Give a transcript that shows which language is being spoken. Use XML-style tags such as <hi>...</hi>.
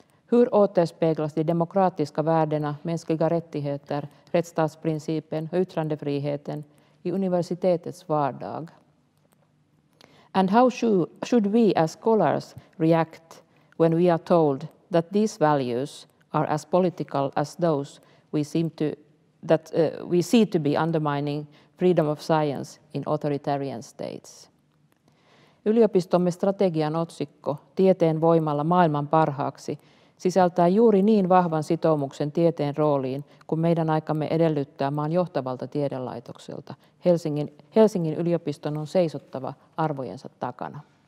<sv>Hur återspeglas de demokratiska värdena, mänskliga rättigheter, rättsstatsprincipen och yttrandefriheten i universitetets vardag?</sv> <en>And how should we as scholars react when we are told that these values are as political as those we see to be undermining freedom of science in authoritarian states?</en> <fi>Yliopistomme strategian otsikko Tieteen voimalla maailman parhaaksi sisältää juuri niin vahvan sitoumuksen tieteen rooliin kuin meidän aikamme edellyttää maan johtavalta tiedelaitokselta. Helsingin yliopiston on seisottava arvojensa takana.</fi>